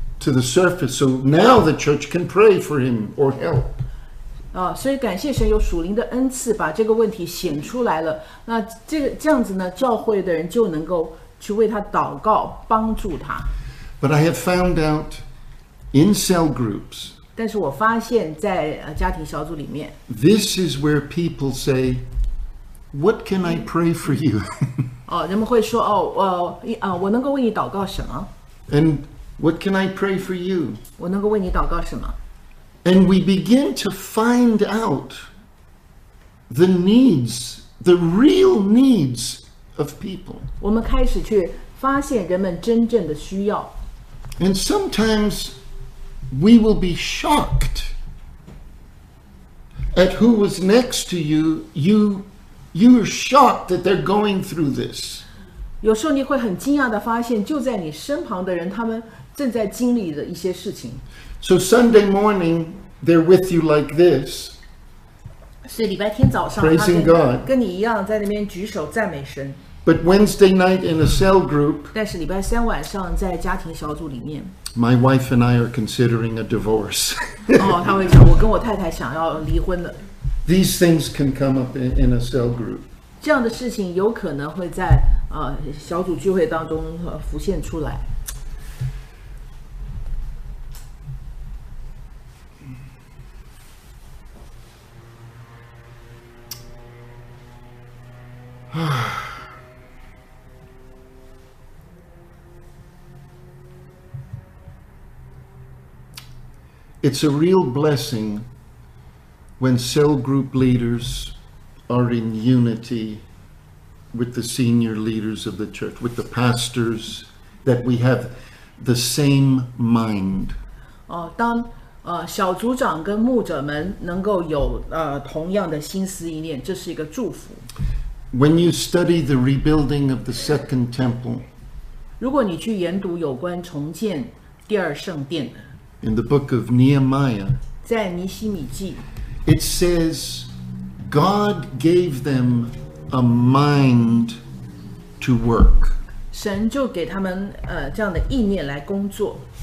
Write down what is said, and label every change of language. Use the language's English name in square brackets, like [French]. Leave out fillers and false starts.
[English] To the surface, so now the church can pray for him or help. [Chinese] 所以感谢神有属灵的恩赐，把这个问题显出来了。那这样子呢，教会的人就能够去为他祷告，帮助他。 [English] But I have found out in cell groups. [Chinese] 但是我发现在家庭小组里面 [English] This is where people say, what can I pray for you? [Chinese] 哦，人们会说，哦，我能够为你祷告什么？ [English] And what can I pray for you? [Chinese] 我能够为你祷告什么？ [English] And we begin to find out the needs, the real needs of people. [Chinese] 我们开始去发现人们真正的需要。 [English] And sometimes we will be shocked at who was next to you. You are shocked that they're going through this. [Chinese] 有时候你会很惊讶地发现就在你身旁的人他们正在经历的一些事情。 [English] So Sunday morning, they're with you like this. [Chinese] 是礼拜天早上 [English] Praising God. [Chinese] 跟你一样在那边举手赞美神。 [English] But Wednesday night in a cell group, [Chinese] 但是礼拜三晚上在家庭小组里面 [English] my wife and I are considering a divorce. [Chinese] 他会讲我跟我太太想要离婚了。 [English] These things can come up in a cell group. [Chinese] 这样的事情有可能会在小组聚会当中浮现出来。 [English] It's a real blessing when cell group leaders are in unity with the senior leaders of the church, with the pastors, that we have the same mind. [Chinese] 当小组长跟牧者们能够有同样的心思意念，这是一个祝福。 [English] When you study the rebuilding of the second temple, [Chinese] 如果你去研读有关重建第二圣殿的。 [English] In the book of Nehemiah, [Chinese] 在尼希米记 [English] it says, God gave them a mind to work. [Chinese] 神就给他们这样的意念来工作。